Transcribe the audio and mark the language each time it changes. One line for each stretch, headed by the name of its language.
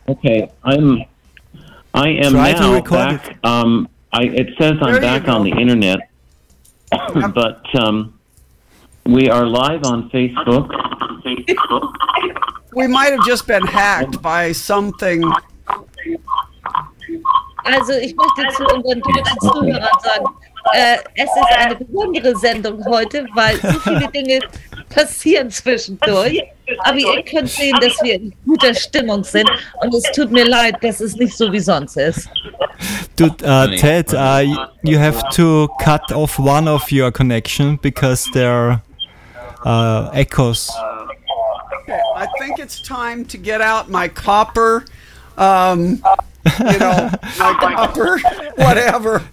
English: Okay, I am try now to record back. It says I'm back on the internet, but we are live on Facebook. We might have just been hacked by something.
German: Also, ich möchte zu unseren deutschen Zuhörern sagen, es ist eine besondere Sendung heute, weil so viele Dinge passieren zwischendurch. Aber ihr könnt sehen, dass wir in guter Stimmung sind. Und es tut mir leid, dass es nicht so wie sonst ist.
English: Dude, Ted, you have to cut off one of your connection, because there are echoes. Okay, I think it's time to get out my copper. copper, whatever.